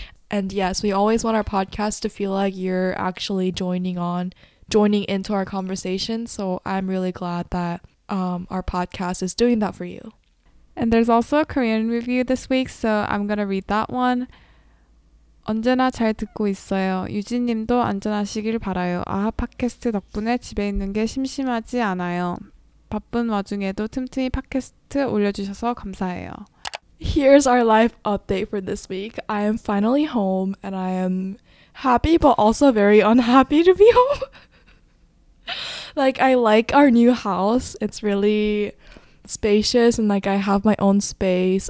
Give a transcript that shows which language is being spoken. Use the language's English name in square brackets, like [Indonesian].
[English] And yes, we always want our podcast to feel like you're actually joining into our conversation. So I'm really glad that our podcast is doing that for you. And there's also a Korean review this week, so I'm going to read that one. [Korean] 언제나 잘 듣고 있어요. 유진님도 안전하시길 바라요. 아하 팟캐스트 덕분에 집에 있는 게 심심하지 않아요. 바쁜 와중에도 틈틈이 팟캐스트 올려주셔서 감사해요. [English] Here's our life update for this week. I am finally home and I am happy but also very unhappy to be home. Like, I like our new house. It's really spacious and like I have my own space.